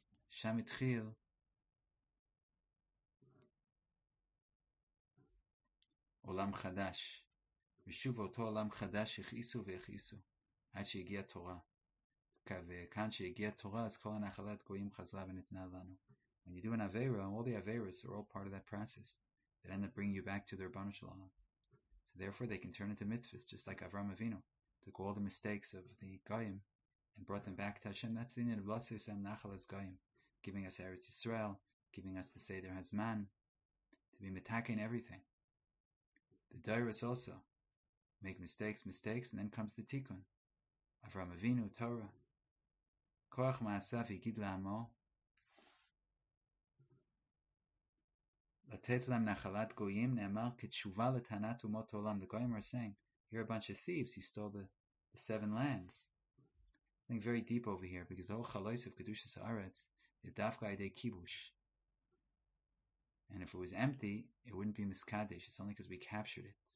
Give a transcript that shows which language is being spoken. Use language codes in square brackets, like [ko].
[he] שם התחיל עולם חדש, ושוב אותו עולם חדש הכעיסו והכעיסו, עד שהגיעה תורה. וכאן שהגיעה תורה, אז כל הנחלת גויים חזרה ונתנה לנו. [en] When you do an avera, all the averas are all part of that process. That end up bringing you back to the Ribbono Shel Olam. So therefore they can turn into mitzvahs, just like Avraham Avinu took all the mistakes of the Goyim and brought them back to Hashem. That's the end of Lotzei Sam Nachal as Goyim, giving us Eretz Yisrael, giving us the Seder Hazman, to be metaken everything. The Dairus also make mistakes, and then comes the Tikkun. Avraham Avinu, Torah. [he] Koach Ma'asav Yigid La'amo, לתת להם נחלת גויים נאמר כתשובה לטענת אומות העולם. [en] The Goyim are saying, here are a bunch of thieves, he stole the seven lands. Something very deep over here, because the whole chalos of Kedushas Haaretz is dafka ide kibush. And if it was empty, it wouldn't be miskadesh. It's only because we captured it.